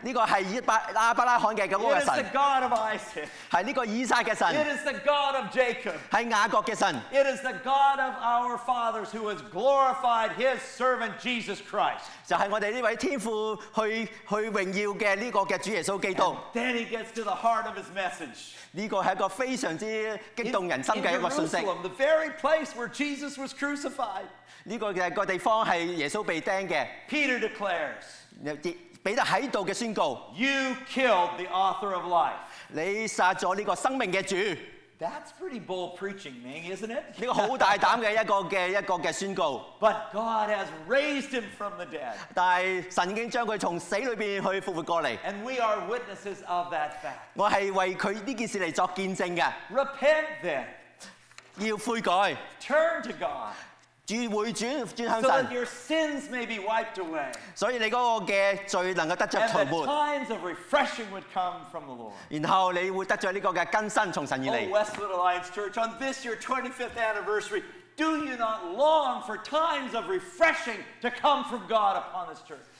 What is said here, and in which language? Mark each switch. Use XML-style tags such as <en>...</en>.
<yue>呢個係亞伯拉罕嘅嗰個神。</yue> <en>It is the God of Isaac.</en> <yue>係呢個以撒嘅神。</yue> <en>It is the God of Jacob.</en> <yue>係雅各嘅神。</yue> <en>It is the God of our fathers who has glorified His servant Jesus Christ.</en> <yue>就係我哋呢位天父去榮耀嘅呢個嘅主耶穌基督。</yue> <en>Then he gets to the heart of his message.</en> <yue>呢個係一個非常之激動人心嘅一個信息。</yue> <en>In Jerusalem, the very place where Jesus was crucified.</en> <yue>呢個嘅個地方係耶穌被釘嘅。</yue> <en>Peter declares，</en> <yue>彼得喺度嘅宣告。</yue> <en>You killed the author of life。</en> <yue>你殺咗呢個生命嘅主。</yue> <en>That's pretty bold preaching, Ming, isn't it？</en> <yue>呢個好大膽嘅一個嘅宣告。</yue> <en>But God has raised him from the dead。</en> <yue>但係神已經將佢從死裏邊去復活過嚟。</yue> <en>And we are witnesses of that fact。</en> <yue>我係為佢呢件事嚟作見證嘅。</yue> <en>Repent then，</en> <yue>要悔改。</yue> <en>Turn to God。</en> <yue>轉向神</yue> <en>so that your sins may be wiped away.</en> <yue>所以你嗰個嘅罪能夠得著除抹</yue> <en>And the times of refreshing would come from the Lord.</en> <yue>然後你會得著呢個嘅更新從神而嚟</yue> <en>Oh, Westwood Alliance Church, on this your 25th anniversary, do you not long for times of refreshing to come from God upon this church?</en>